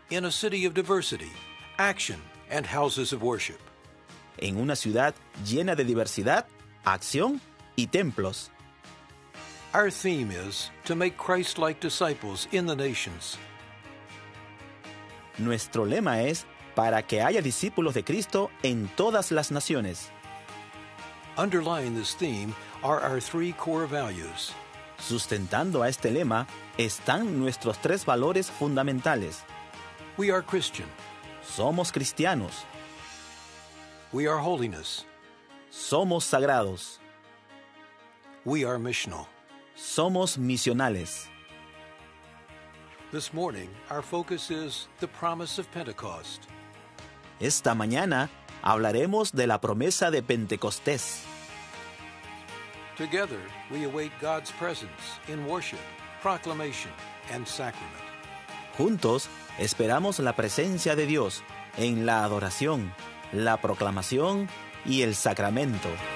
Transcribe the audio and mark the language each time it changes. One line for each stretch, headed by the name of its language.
English: In a city of diversity, action, and houses of worship.
Spanish: En una ciudad llena de diversidad, acción y templos.
English: Our theme is to make Christ-like disciples in the nations.
Spanish: Nuestro lema es para que haya discípulos de Cristo en todas las naciones.
English: Underlying this theme are our three core values.
Spanish: Sustentando a este lema están nuestros tres valores fundamentales.
English: We are Christian.
Spanish: Somos cristianos.
English: We are holiness.
Spanish: Somos sagrados.
English: We are missional.
Spanish: Somos misionales.
English: This morning, our focus is the promise of Pentecost.
Spanish: Esta mañana, hablaremos de la promesa de Pentecostés.
English: Together, we await God's presence in worship, proclamation, and sacrament.
Spanish: Juntos, esperamos la presencia de Dios en la adoración, la proclamación, y el sacramento.